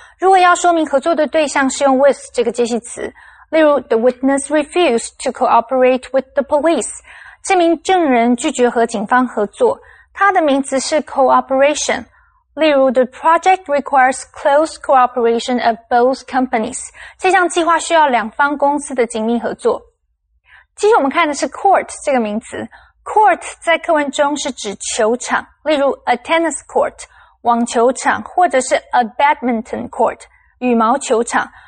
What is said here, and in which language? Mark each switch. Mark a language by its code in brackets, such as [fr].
[zh] 如果要说明合作的对象是用 with 这个介系词。 [en] 例如 ,the witness refused to cooperate with the police. [zh] 这名证人拒绝和警方合作。它的名词是 [en] cooperation, 例如 the project requires close cooperation of both companies. [zh] 这项计划需要两方公司的紧密合作。接着我们看的是 court 这个名词。court 在课文中是指球场，例如 [en] a tennis court, [zh] 网球场，或者是 [en] a badminton court, [zh] 羽毛球场。